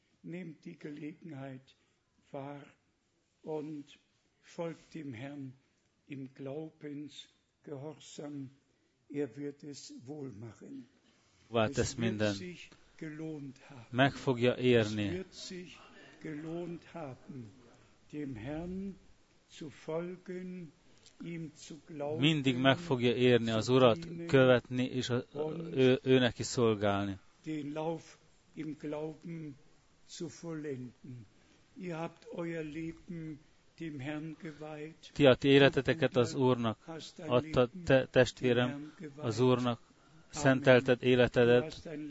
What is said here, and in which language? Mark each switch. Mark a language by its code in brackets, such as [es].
[de] Nehmt die Gelegenheit wahr und folgt dem Herrn im Glaubensgehorsam. Er wird es wohl machen. Es wird sich gelohnt haben. [hu] Meg fogja érni. [de] Es wird sich gelohnt haben, dem Herrn zu folgen, ihm zu glauben. [hu] Mindig meg fogja érni az Urat követni és a, ő neki szolgálni. [de] Den Lauf im Glauben zu vollenden. Ihr habt euer Leben dem Herrn geweiht. [hu] Ti a ti életeteket az Úrnak adtad, te, testvérem, az Úrnak szentelted életedet.